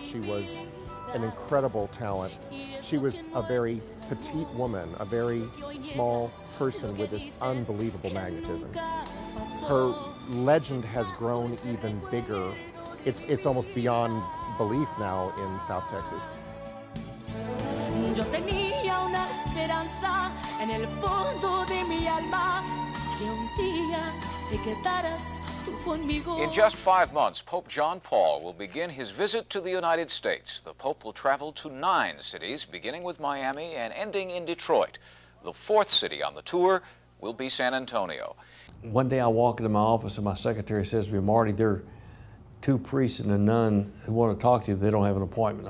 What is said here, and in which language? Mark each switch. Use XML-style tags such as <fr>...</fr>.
<en>She was an incredible talent. She was a very petite woman, a very small person with this unbelievable magnetism. Her legend has grown even bigger. It's almost beyond belief now in South Texas.</en> <es>Yo tenía una esperanza en el fondo de mi alma que un día te quedaras tú conmigo.</es> <en>In just 5 months, Pope John Paul will begin his visit to the United States. The Pope will travel to 9 cities, beginning with Miami and ending in Detroit. The 4th city on the tour will be San Antonio. One day I walk into my office and my secretary says to me, Marty, there are 2 priests and a nun who want to talk to you, but they don't have an appointment.</en>